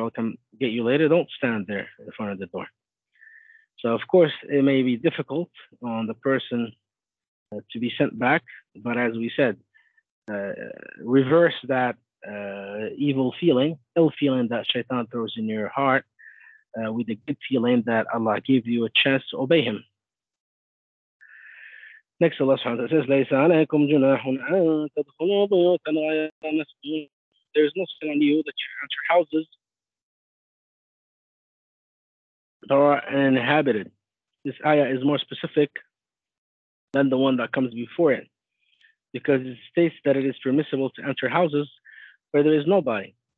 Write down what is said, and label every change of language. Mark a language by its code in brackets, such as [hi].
[en] I'll come get you later. Don't stand there in front of the door. So, of course, it may be difficult on the person to be sent back. But as we said, reverse that evil feeling, ill feeling that shaitan throws in your heart with the good feeling that Allah gave you a chance to obey him. Next, Allah subhanahu wa ta'ala says, [ar] لَيْسَ عَلَيْكُمْ جُنَاحٌ أَن تَدْخُلُوا بُيُوتًا غَيْرَ مَسْكُونٍ. [en] There is no sin on you that you enter houses that are uninhabited. This ayah is more specific than the one that comes before it, because it states that it is permissible to enter houses where there is nobody.